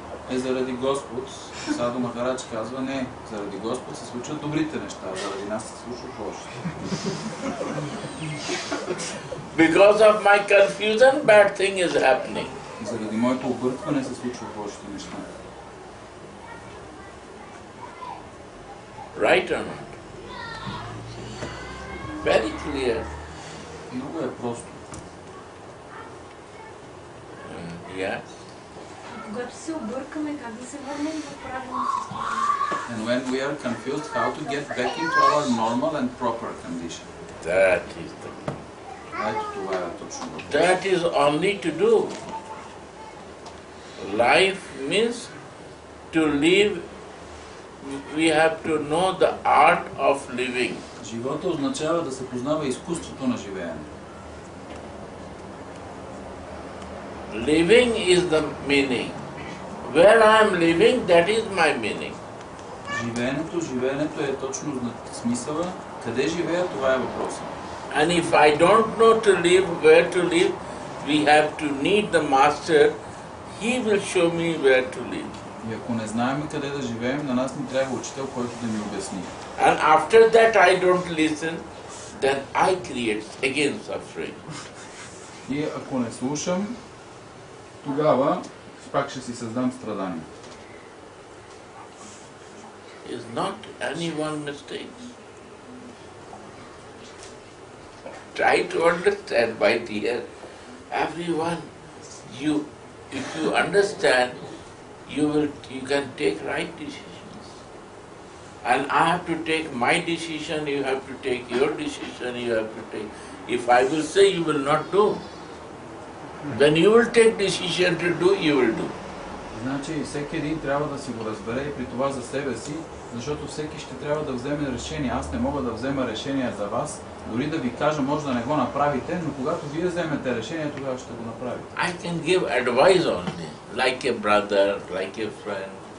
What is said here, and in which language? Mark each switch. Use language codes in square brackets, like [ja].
[bg] Е заради Господ, Саду Махарадж казва, не, заради Господ се случват добрите неща, а заради нас се случват лошите. [en] Because of my confusion, bad thing is happening. [bg] Заради моето объркване се случват лошите неща. [en] Right or not? Very clear. [bg] Много е просто. [en] Yes. And when we are confused, how to get back into our normal and proper condition? That is the key. That is only to do. Life means to live, we have to know the art of living. [bg] Живота означава да се познава изкуството на живеене. [en] Living is the meaning. Where I am living, that is my meaning. [bg] Живеенето, живеенето е точно смисъла. Къде живея, това е въпросът. [en] And if I don't know to live, where to live, we have to need the master. He will show me where to live. [bg] И ако не знаем къде да живеем, на нас ни трябва учител, който да ни обясни. [en] And after that I don't listen, then I create again suffering. [bg] И ако не слушам, тогава пак ще си създам страдания. [en] Is not anyone mistakes. Try to understand by dear everyone. You, if you understand, you will, you can take right decisions. And I have to take my decision, you have to take your decision, you have to take. If I will say, you will not do. Then you will take decision to do, you will do. [bg] Значи всеки един трябва да си го разбере и при това за себе си, защото всеки ще трябва да вземе решение. Аз не мога да взема решение за вас, дори да ви кажа, може да не го направите, но когато вие вземете решение, тогава ще го направите. [en] I can give advice only, like a brother, like a friend.